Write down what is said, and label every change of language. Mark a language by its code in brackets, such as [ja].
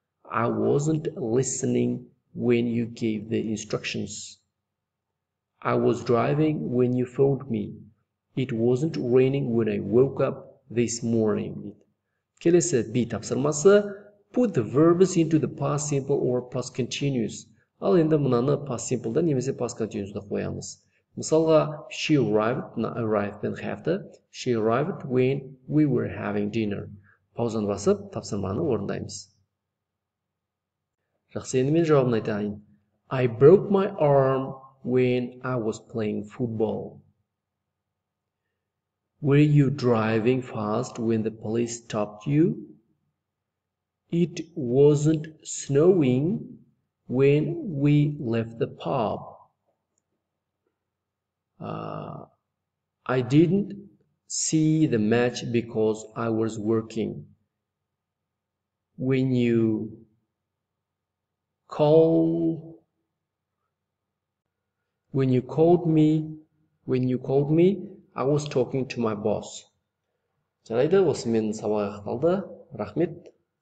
[en] I wasn't listening when you gave the instructions. I was driving when you phoned me. It wasn't raining when I woke up this morning. [kk] Келесі B тапсырмасы. [en] Put the verbs into the past simple or past continuous. [kk] Ал енді мынаны past simple-да немесе past continuous-да қоямыз. [en] Мысалға, she arrived, arrived and have-ді. She arrived when we were having dinner. [kk] Паузаны басып, тапсырманы орындаймыз. Жақсы, енді мен жауабын айтайын. [en] I broke my arm when I was playing football. Were you driving fast when the police stopped you? It wasn't snowing when we left the pub. I didn't see the match because I was working. When you called me, I was talking to my boss. [kk] Жарайды, осы мен сабақ аяқталды. Рахмет.